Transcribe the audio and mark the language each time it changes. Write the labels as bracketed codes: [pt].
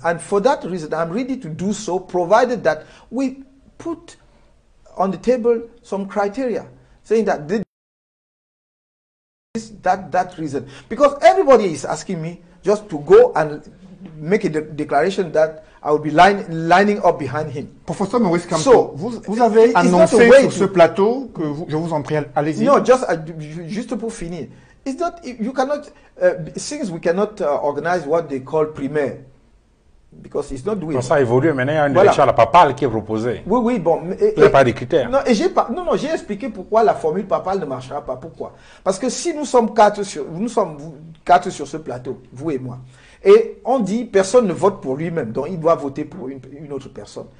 [en] And for that reason, I'm ready to do so, provided that we put on the table some criteria, saying that that reason. Because everybody is asking me just to go and make a declaration that I will be lining up behind him. [fr] Professor Maurice Kamto, vous avez annoncé sur ce plateau que vous, je vous en prie, allez-y. [en] No, just [fr] pour finir. [en] It's not, you cannot, since we cannot organize what they call primaire, because it's not doing. [fr] Ça a évolué, maintenant il y a une élection à la papale qui est proposée. Oui, oui, bon. Il n'y a pas de critères. Non, et j'ai expliqué pourquoi la formule papale ne marchera pas. Pourquoi? Parce que si nous sommes quatre sur ce plateau, vous et moi, et on dit personne ne vote pour lui-même, donc il doit voter pour une autre personne.